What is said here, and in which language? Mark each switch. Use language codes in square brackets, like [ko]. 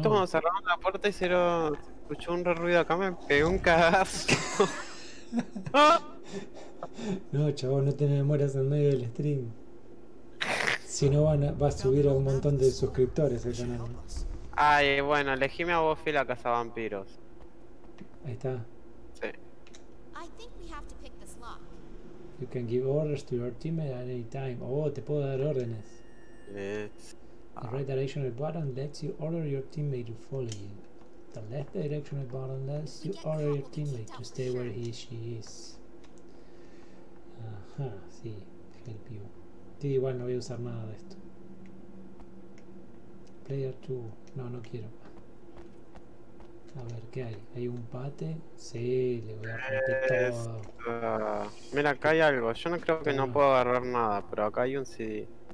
[es] Cuando cerraron la puerta y cero, escuchó un ruido acá, me pegó un cagazo. No, chavo, no te mueras en medio del stream. Si no, va a subir a un montón de suscriptores el canal. Ay, bueno, elegíme a Buffy la casa vampiros. Ahí está. Sí. [en] I think we have to pick this lock. You can give orders to your team at any time. [es] Oh, te puedo dar órdenes. [en] Yes. The red directional button lets you order your teammate to follow you. The left directional button lets you order your teammate to stay where he or she is. [es] Ajá, sí, help you. Sí, igual no voy a usar nada de esto. Player 2. No, no quiero. A ver, ¿qué hay? ¿Hay un pate? Sí, le voy a romper todo. Mira, acá hay algo. Yo no creo que no puedo agarrar nada, pero acá hay un CD.